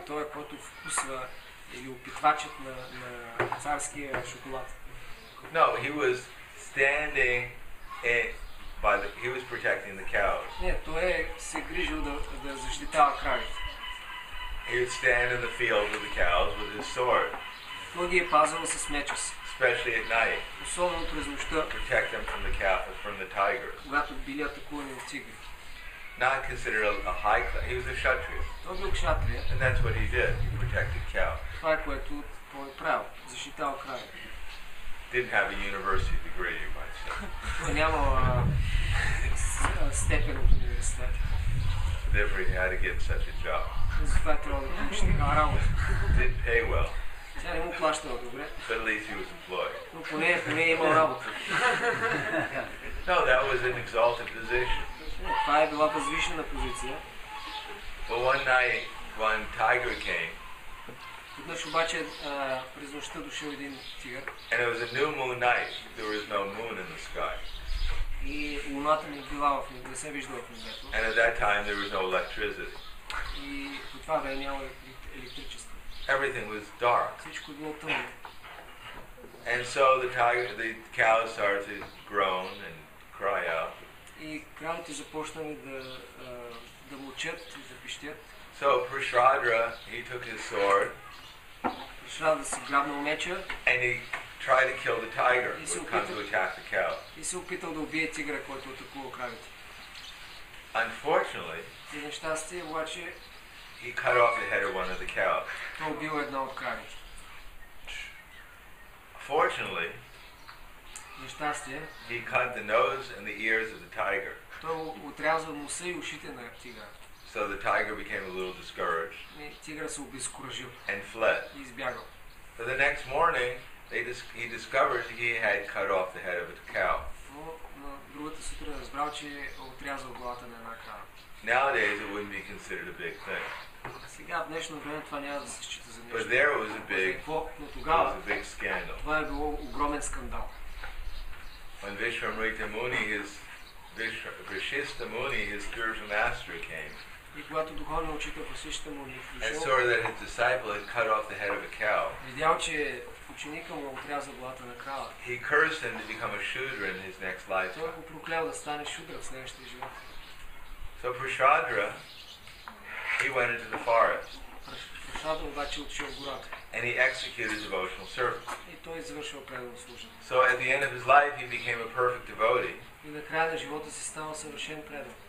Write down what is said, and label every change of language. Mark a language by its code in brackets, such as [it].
[bg] Той е който вкусва или опитвачът на царския шоколад. [en] No, he was standing by the. He was protecting the cows. [bg] Не, той се грижил да защитава кравите. [en] He would stand in the field with the cows with his sword. [bg] Той ги е пазил с меча си. [en] Especially at night. [bg] Особено през нощта. [en] Protect them from the cows, from the tigers. [bg] Когато били атакувани от тигри. [en] Not considered a high class. He was a kshatriya. [bg] Той бил кшатрия. [en] And that's what he did. He protected cows. [bg] Това е което той правил. Защитава крави. [en] Didn't have a university degree, you might say. [bg] Той няма степен от университет. [en] Therefore he had to get such a job. [bg] Затова трябва да получи такава работа. [en] Didn't pay well. [bg] Тя не му плащала добре. [en] But at least he was employed. [bg] Но поне имал работа. [en] No, that was an exalted position. [bg] Това е била възвишена позиция. [en] But one night, one tiger came. [bg] Отнъж обаче през нощта дошъл един тигър. [en] And it was a new moon night. There was no moon in the sky. [bg] И луната не била в небето, не се виждала в небето. [en] And at that time there was no electricity. [bg] И по това време няма електричество. [en] Everything was dark. [bg] Всичко било тъмно. [en] And so the cows started to groan and cry out. [bg] И кравите започнали да мълчат и да пищят. [en] So Prashradra, he took his sword. [bg] Prashradra си грабнал меча. [en] And he tried to kill the tiger who came to attack the cow. [bg] И се опитал да убие тигра, който атакува кравите. [en] Unfortunately, [bg] за нещастие, обаче, [en] he cut off the head of one of the cows. [bg] Той убил едно от кравите. [en] Fortunately, [bg] нещастие, [en] he cut the nose and the ears of the tiger. [bg] Той отрязва носа и ушите на тигъра. [en] So the tiger became a little discouraged. [bg] Тигъра се обезкуражил. [en] And fled. [bg] И избягал. [en] So the next morning, he discovered he had cut off the head of a cow. [bg] Но на другата сутрин разбрал, че отрязал главата на една крава. [en] Nowadays it wouldn't be considered a big thing. [bg] Сега в днешно време това няма да се счита за нещо. [en] But there was a big, [bg] но тогава, [en] it was a big scandal. [bg] Това е било огромен скандал. [en] When Vishwamrita Muni, his spiritual master, came. [bg] И когато духовният учител Васиштха Муни дошъл. [en] I saw that his disciple had cut off the head of a cow. [bg] Видял, че ученикът му отряза главата на крава. [en] He cursed him to become a shudra in his next life. [bg] Той го проклял да стане шудра в следващия живот. [en] So Prashadra, he went into the forest. [bg] Prashadra обаче отишъл в гората. [en] And he executed devotional service. [bg] И той извършил преданно служение. [en] So at the end of his life, he became a perfect devotee. [bg] И на края на живота си стал съвършен предан.